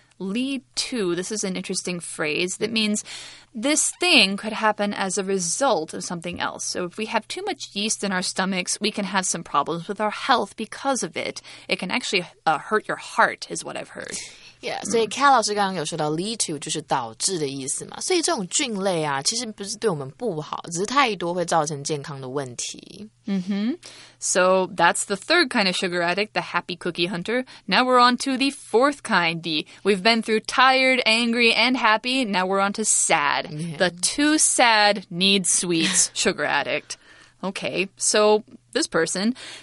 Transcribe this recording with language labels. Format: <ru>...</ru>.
<en>Lead to, this is an interesting phrase that means this thing could happen as a result of something else. So if we have too much yeast in our stomachs, we can have some problems with our health because of it. It can actually hurt your heart, is what I've heard.</en> <zh>Yeah, 所以 Kat 老师刚刚有说到 lead to 就是导致的意思嘛。所以这种菌类啊其实不是对我们不好只是太多会造成健康的问题。</zh> <en>Mm-hmm. So that's the third kind of sugar addict, the happy cookie hunter. Now we're on to the fourth kind, D. We've been through tired, angry, and happy. Now we're on to sad.、Yeah. The too sad needs sweets sugar addict. Okay, so this person...</en>